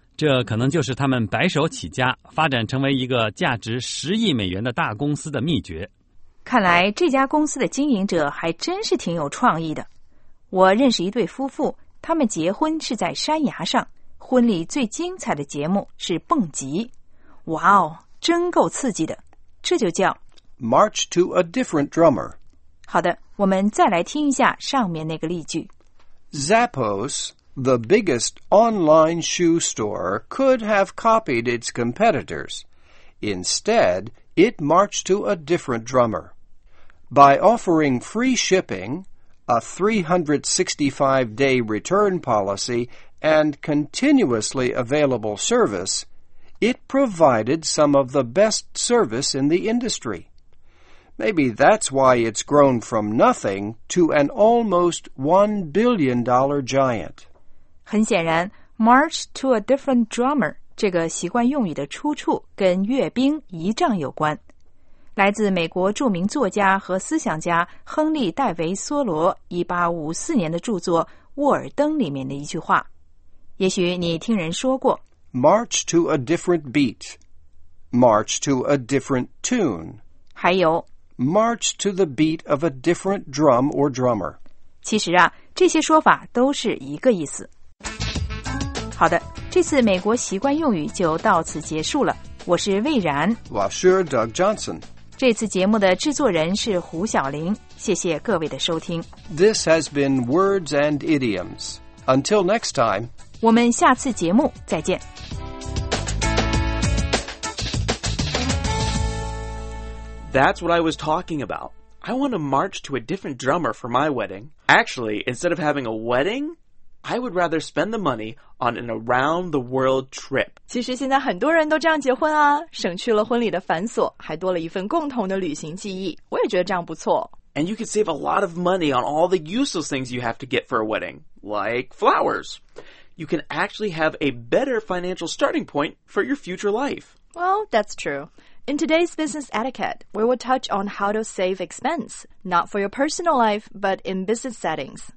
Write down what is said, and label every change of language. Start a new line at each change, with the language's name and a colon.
Chinese: 这可能就是他们白手起家发展成为一个价值10亿美元的大公司的秘诀。看来这家公司的经营者还真是挺有创意的。我认识一对夫妇，他们结婚是在山崖上，婚礼最精彩的节目是蹦极。哇哦，真够刺激的。这就叫
English: March to a different drummer.
Chinese: 好的，我们再来听一下上面那个例句。
English: Zappos, the biggest online shoe store, could have copied its competitors. Instead, it marched to a different drummer. By offering free shipping, a 365-day return policy,and continuously available service, it provided some of the best service in the industry. Maybe that's why it's grown from nothing to an almost $1 billion giant.
Chinese: 很显然 ,
English: march to a different drummer,
Chinese: 这个习惯用语的出处跟阅兵仪仗有关。来自美国著名作家和思想家亨利·戴维·梭罗1854年的著作《沃尔登》里面的一句话。也许你听人说过
English: March to a different beat, March to a different tune,
Chinese: 还有
English: March to the beat of a different drum or drummer.
Chinese: 其实啊，这些说法都是一个意思。好的，这次美国习惯用语就到此结束了。我是魏然，我是 Doug Johnson。这次节目的制作人是胡晓玲，谢谢各位的收听。
English: This has been Words and Idioms. Until next time.
Chinese: 我们下次节目再见。
English: That's what I was talking about. I want to march to a different drummer for my wedding. Actually, instead of having a wedding, I would rather spend the money on an around-the-world trip.
Chinese: 其实现在很多人都这样结婚啊，省去了婚礼的繁琐，还多了一份共同的旅行记忆。我也觉得这样不错。
English: And you can save a lot of money on all the useless things you have to get for a wedding, like flowers. You can actually have a better financial starting point for your future life. Well, that's true. In today's business etiquette, we will touch on how to save expense, not for your personal life, but in business settings.